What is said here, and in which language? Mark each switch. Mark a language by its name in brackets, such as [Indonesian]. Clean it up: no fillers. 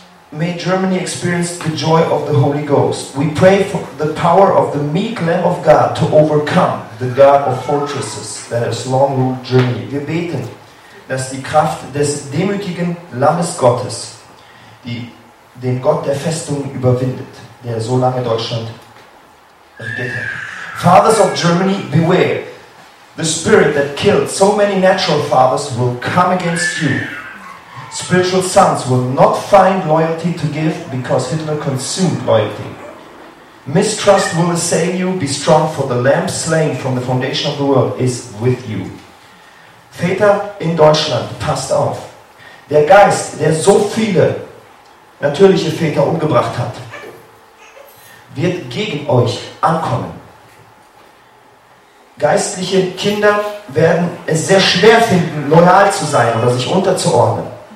[English] May Germany experience the joy of the Holy Ghost. We pray for the power of the meek Lamb of God to overcome the God of fortresses that has long ruled Germany. [German] Wir beten, dass die Kraft des demütigen Lammes Gottes, die den Gott der Festung überwindet, der so lange Deutschland regiert hat. [English] Fathers of Germany, beware. The spirit that killed so many natural fathers will come against you. Spiritual sons will not find loyalty to give because Hitler consumed loyalty. Mistrust will assail you. Be strong, for the lamb slain from the foundation of the world is with you. [German] Väter in Deutschland, passt auf. Der Geist, der so viele natürliche Väter umgebracht hat, wird gegen euch ankommen. Geistliche Kinder werden es sehr schwer finden, loyal zu sein oder sich unterzuordnen.